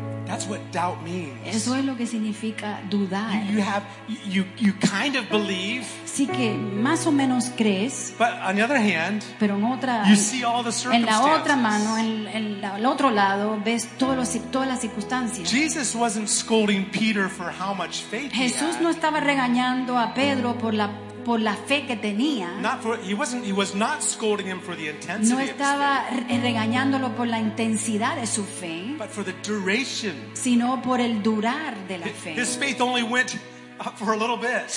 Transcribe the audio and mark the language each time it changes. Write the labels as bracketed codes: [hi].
[en] That's what doubt means. [es] Eso es lo que significa dudar. [en] You kind of believe. [es] Sí que más o menos crees. [en] But on the other hand, [es] pero en otra, [en] you see all the circumstances. [es] En la otra mano, en el otro lado, ves todas las circunstancias. [en] Jesus wasn't scolding Peter for how much faith he [es] Jesús [en] had. [es] No estaba regañando a Pedro por la fe que tenía. No estaba regañándolo por la intensidad de su fe, [en] but for the duration, [es] sino por el durar de la fe. [en] His faith only went for a little bit,